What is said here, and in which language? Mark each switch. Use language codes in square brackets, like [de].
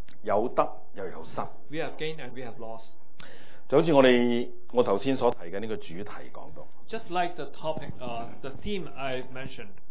[yue] 有得又有失。 [en] We have gained and we have lost. [yue] 就好像我剛才所提的這個主題講到。 [en] Just like the topic, the theme I've mentioned.